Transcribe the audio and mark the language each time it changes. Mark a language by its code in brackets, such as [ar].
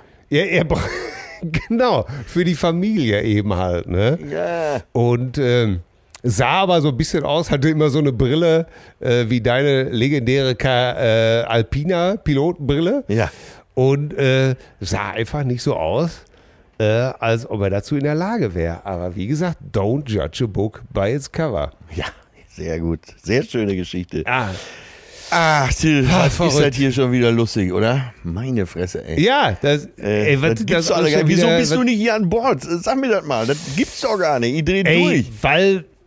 [de] Genau, für die Familie eben halt. Ne? Yeah. Und sah aber so ein bisschen aus, hatte immer so eine Brille, wie deine legendäre Alpina-Pilotenbrille. Ja. Und sah einfach nicht so aus, als ob er dazu in der Lage wäre. Aber wie gesagt, [en] don't judge a book by its cover. [de] Ja. Sehr gut, sehr schöne Geschichte. Ach, Till, was ist das hier schon wieder lustig, oder? Meine Fresse, ey. Ja, das, ey, was, das gibt's doch alle gar nicht. Wieso bist du nicht hier an Bord? Sag mir das mal, das gibt's doch gar nicht. Ich dreh durch.